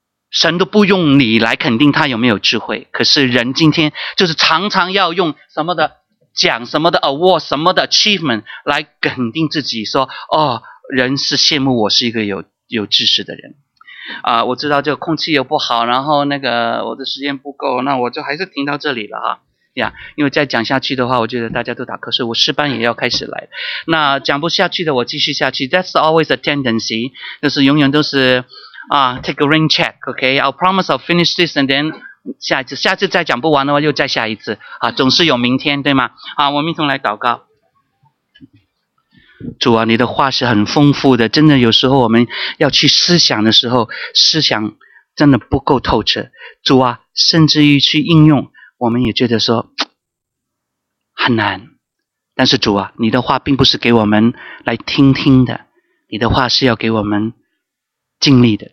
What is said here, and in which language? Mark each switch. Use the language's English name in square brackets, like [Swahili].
[Chinese] 神都不用你来肯定他有没有智慧，可是人今天就是常常要用什么的奖、什么的 award、 什么的 achievement 来肯定自己，说哦，人是羡慕我是一个有知识的人啊，我知道这个空气又不好，然后那个我的时间不够，那我就还是停到这里了啊呀，因为再讲下去的话，我觉得大家都打瞌睡，我试班也要开始来，那讲不下去的我继续下去。 [English] That's always a tendency， [Chinese] 就是永远都是啊 [English] take a rain check， OK， I'll promise I'll finish this and then [Chinese] 下次再讲不完的话又再下一次啊，总是有明天，对吗？啊，我们一同来祷告。主啊，你的话是很丰富的，真的有时候我们要去思想的时候，思想真的不够透彻。主啊，甚至于去应用，我们也觉得说很难。但是主啊，你的话并不是给我们来听听的，你的话是要给我们尽力的。